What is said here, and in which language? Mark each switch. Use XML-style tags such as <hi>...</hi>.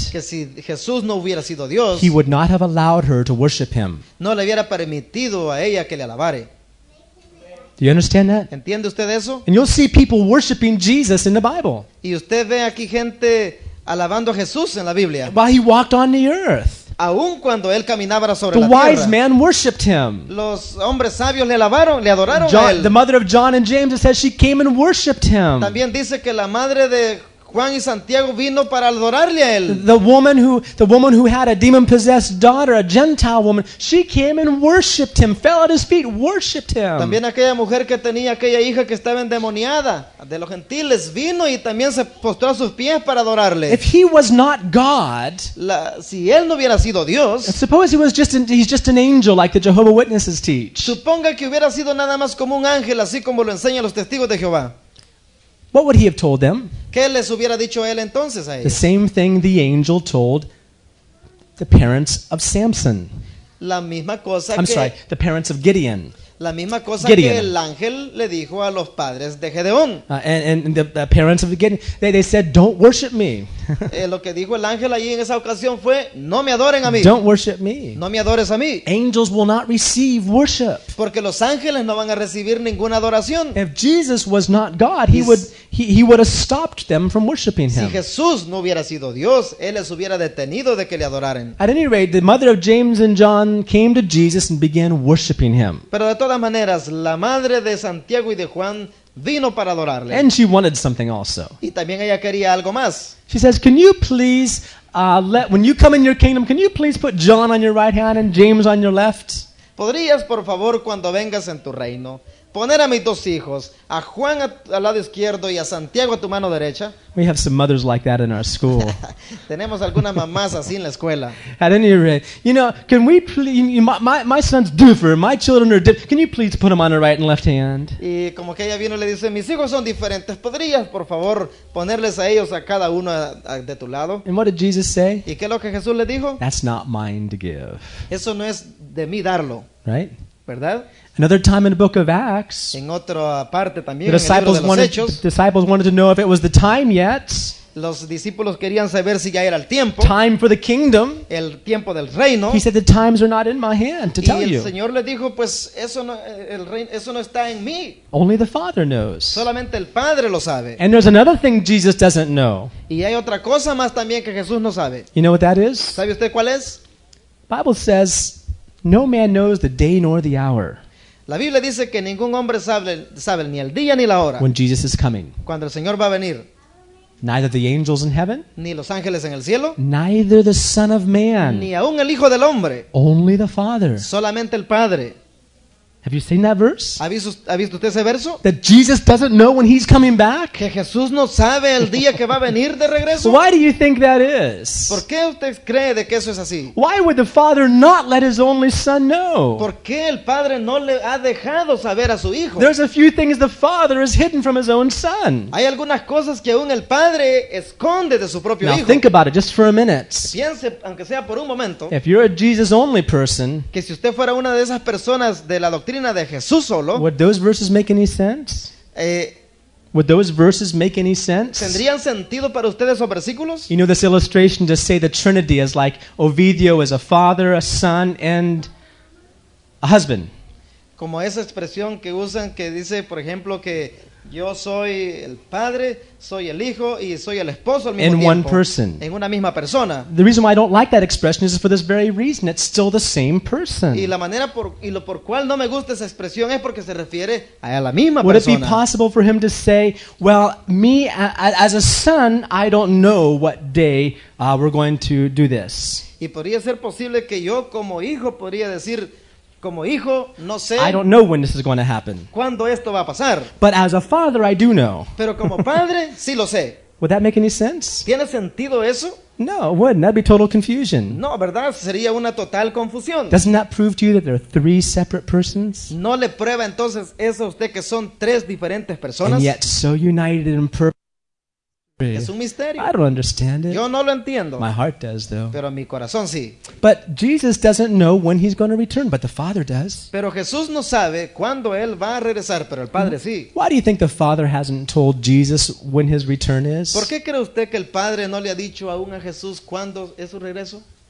<es>que si Jesús no hubiera sido Dios,</es> <en>he would not have allowed her to worship him.</en> <es>No le hubiera permitido a ella que le alabare.</es> <en>Do you understand that?</en> <es>¿Entiende usted eso?</es> <en>And you'll see people worshiping Jesus in the Bible.</en> <es>Y usted ve aquí gente alabando a Jesús en la Biblia.</es> <en>While he walked on the earth.</en> <es>Aun cuando él caminaba sobre la tierra.</es> <en>The wise man worshipped him.</en> <es>Los hombres sabios le alabaron, le adoraron</es> <en>John,</en> <es>a él.</es> <en>The mother of John and James, it says she came and worshipped him.</en> <es>También dice que la madre de Juan y Santiago vino para adorarle a él.</es> <en>The woman who had a demon-possessed daughter, a Gentile woman, she came and worshipped him, fell at his feet, worshipped him.</en> <es>También aquella mujer que tenía aquella hija que estaba endemoniada de los gentiles vino y también se postró a sus pies para adorarle.</es> <en>If he was not God,</en> <es>si él no hubiera sido Dios,</es> <en>suppose he was just an angel like the Jehovah Witnesses teach.</en> <es>Suponga que hubiera sido nada más como un ángel, así como lo enseñan los testigos de Jehová.</es> <en>What would he have told them?</en> <es>¿Qué les hubiera dicho él entonces a ellos?</es> <en>The same thing the angel told the parents of Samson.</en> <es>La misma cosa</es> <en>the parents of Gideon.</en> <es>La misma cosa Gideon. Que el ángel le dijo a los padres de Gedeón.</es> <en>And the parents of Gideon, they said, don't worship me.</en> <es>Lo que dijo el ángel allí en esa ocasión fue, no me adoren a mí.</es> <en>Don't worship me.</en> <es>No me adores a mí.</es> <en>Angels will not receive worship.</en> <es>Porque los ángeles no van a recibir ninguna adoración.</es> <en>If Jesus was not God, he would... he would have stopped them from worshiping him.</en> <es>Si Jesús no hubiera sido Dios, él les hubiera detenido de que le adoraren.</es> <en>At any rate, the mother of James and John came to Jesus and began worshiping him.</en> <es>Pero de todas maneras, la madre de Santiago y de Juan vino para adorarle.</es> <en>And she wanted something also.</en> <es>Y también ella quería algo más.</es> <en>She says, "Can you please when you come in your kingdom, can you please put John on your right hand and James on your left?"</en> <es>¿Podrías, por favor, cuando vengas en tu reino, poner a mis dos hijos, a Juan al lado izquierdo y a Santiago a tu mano derecha?</es> <en>We have some mothers like that in our school.</en> <es>Tenemos algunas mamás así en la escuela.</es> <en>At any rate, you know, can we please, my son's different, my children are different, can you please put them on the right and left hand?</en> <es>Y como que ella vino y le dice, mis hijos son diferentes, ¿podrías, por favor, ponerles a ellos a cada uno de tu lado?</es> <en>And what did Jesus say?</en> <es>¿Y qué es lo que Jesús le dijo?</es> <en>That's not mine to give.</en> <es>Eso no es de mí darlo.</es> <en>Right?</en> <es>¿Verdad?</es> <en>Another time in the book of Acts,</en> <es>en otra parte también,</es> <en>the disciples,</en> <es>en el libro de los</es> <en>Hechos, disciples wanted to know if it was the time yet.</en> <es>Los discípulos querían saber si ya era el tiempo.</es> <en>Time for the kingdom.</en> <es>El tiempo del reino.</es> <en>He said the times are not in my hand to tell you.</en> <es>Y el Señor le dijo, pues eso no, el reino, eso no está en mí.</es> <en>Only the Father knows.</en> <es>Solamente el Padre lo sabe.</es> <en>And there's another thing Jesus doesn't know.</en> <es>Y hay otra cosa más también que Jesús no sabe.</es> <en>You know what that is?</en> <es>¿Sabe usted cuál es?</es> <en>Bible says, no man knows the day nor the hour.</en> <es>La Biblia dice que ningún hombre sabe ni el día ni la hora.</es> <en>When Jesus is coming.</en> <es>Cuando el Señor va a venir.</es> <en>Neither the angels in heaven.</en> <es>Ni los ángeles en el cielo.</es> <en>Neither the Son of Man.</en> <es>Ni aún el Hijo del Hombre.</es> <en>Only the Father.</en> <es>Solamente el Padre.</es> <en>Have you seen that verse?</en> <es>¿Ha visto usted ese verso?</es> <en>That Jesus doesn't know when he's coming back?</en> <es>Que Jesús no sabe el día que va a venir de regreso.</es> <en>Why do you think that is?</en> <es>¿Por qué usted cree de que eso es así?</es> <en>Why would the Father not let his only Son know?</en> <es>¿Por qué el Padre no le ha dejado saber a su Hijo?</es> <en>There's a few things the Father has hidden from his own Son.</en> <es>Hay algunas cosas que aún el Padre esconde de su propio</es> <en>Now,</en> <es>Hijo.</es> <en>Now think about it just for a minute.</en> <es>Piense, aunque sea por un momento.</es> <en>If you're a Jesus only person,</en> <es>que si usted fuera una de esas personas de la doctrina de Jesús solo,</es> <en>would those verses make any sense? Would those verses make any sense?</en> <es>¿Tendrían sentido para ustedes esos versículos?</es> <en>You know this illustration to say the Trinity is like Ovidio is a father, a son, and a husband.</en> <es>Como esa expresión que usan que dice, por ejemplo, que yo soy el padre, soy el hijo y soy el esposo al mismo</es> <en>in</en> <es>tiempo.</es> <en>In one person.</en> <es>En una misma persona.</es> <en>The reason why I don't like that expression is for this very reason. It's still the same person.</en> <es>Y la manera por cual no me gusta esa expresión es porque se refiere a la misma</es> <en>Would</en> <es>persona.</es> <en>Would it be possible for him to say, well, me as a son, I don't know what day we're going to do this.</en> <es>Y podría ser posible que yo como hijo podría decir, como hijo, no sé,</es> <en>I don't know when this is going to happen.</en> <es>¿Cuándo esto va a pasar?</es> <en>But as a father, I do know.</en> <es>Pero como padre, sí lo sé.</es> <en>Would that make any sense?</en> <es>¿Tiene sentido eso?</es> <en>No, it wouldn't. That'd be total confusion.</en> <es>No, ¿verdad? Sería una total confusión.</es> <en>Doesn't that prove to you that there are three separate persons?</en> <es>¿No le prueba entonces eso a usted que son tres diferentes personas?</es> <en>And yet so united in purpose.</en> <es>Es un misterio.</es> <en>I don't understand it.</en> <es>Yo no lo entiendo.</es> <en>My heart does, though.</en> <es>Pero mi corazón sí.</es> <en>But Jesus doesn't know when he's going to return, but the Father does.</en> <es>Pero Jesús no sabe cuándo él va a regresar, pero el Padre sí.</es> <en>Why do you think the Father hasn't told Jesus when his return is?</en> <es>¿Por qué cree usted que el Padre no le ha dicho aún a Jesús cuándo es su regreso?</es>